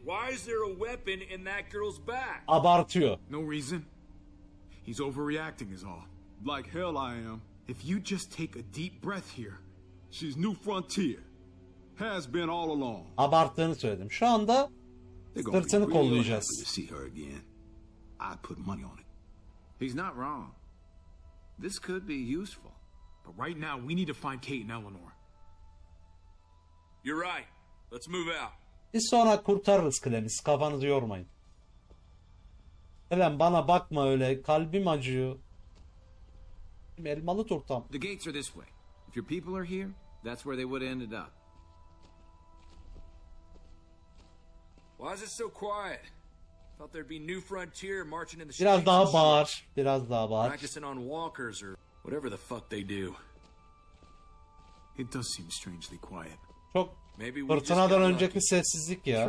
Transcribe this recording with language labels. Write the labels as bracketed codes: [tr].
[en] Why is there a weapon in that girl's back? [tr] Abartıyor. [en] No reason. He's overreacting is all. Like hell I am. If you just take a deep breath here. She's new frontier. Has been all along. [tr] Abarttığını söyledim. Şu anda sırtını kollayacağız. [en] I put money on it. He's not wrong. This could be useful. But right now we need to find Kate and Eleanor. You're right. Let's move out. [tr] Biz sonra kurtarırız Clemens. Kafanızı yormayın. Clem bana bakma öyle. Kalbim acıyor. Elmalı tortam. [en] The gates are this way. If your people are here, that's where they would have ended up. Why is it so quiet? Thought there'd be new frontier marching in the streets. [tr] Biraz daha bağır. Biraz daha bağır. [en] Practicing on walkers or whatever the fuck they do. It does seem strangely quiet. [tr] Çok. Fırtınadan önceki sessizlik ya.